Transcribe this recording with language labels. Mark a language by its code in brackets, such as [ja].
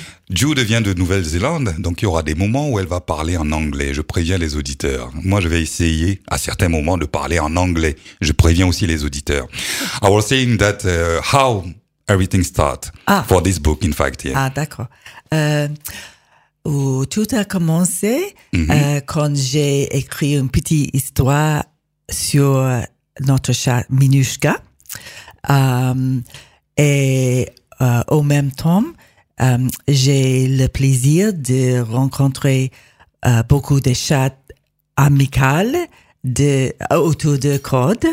[fr] Jude vient de Nouvelle-Zélande, donc il y aura des moments où elle va parler en anglais. Je préviens les auditeurs. Moi, je vais essayer à certains moments de parler en anglais. Je préviens aussi les auditeurs. [en] I was saying that how everything start for this book, in fact. Yeah. [fr] Ah, d'accord. Où tout a commencé quand j'ai écrit une petite histoire sur notre chat Minushka. Et au même temps, j'ai le plaisir de rencontrer beaucoup de chats amicaux autour de Cord.